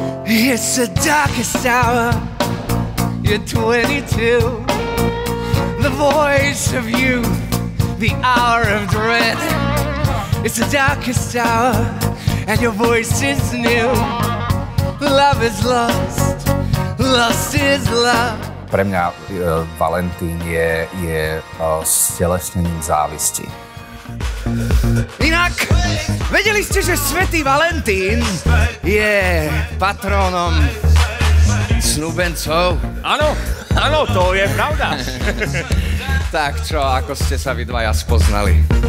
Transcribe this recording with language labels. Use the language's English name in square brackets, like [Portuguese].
[English] It's the darkest hour, you're 22. The voice of youth, the hour of dread. It's the darkest hour, and your voice is new. Love is lost, lost is love. [Slovak] Pre mňa Valentín je stelesnením závisti. Inak, vedeli ste, že svätý Valentín je patrónom snúbencov? Áno, áno, to je pravda. Tak čo, ako ste sa vy dvaja spoznali?